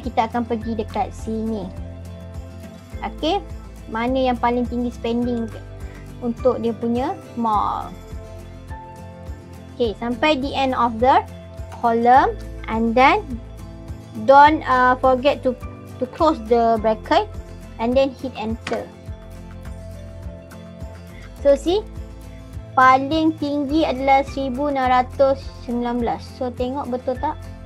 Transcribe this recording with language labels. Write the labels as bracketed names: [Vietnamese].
[Malay] Kita akan pergi dekat sini. Okay. Mana yang paling tinggi spending untuk dia punya mall. [English] Okay. Sampai the end of the column. And then don't forget to close the bracket. And then hit enter. [Malay] So see, paling tinggi adalah 1619. So tengok betul tak?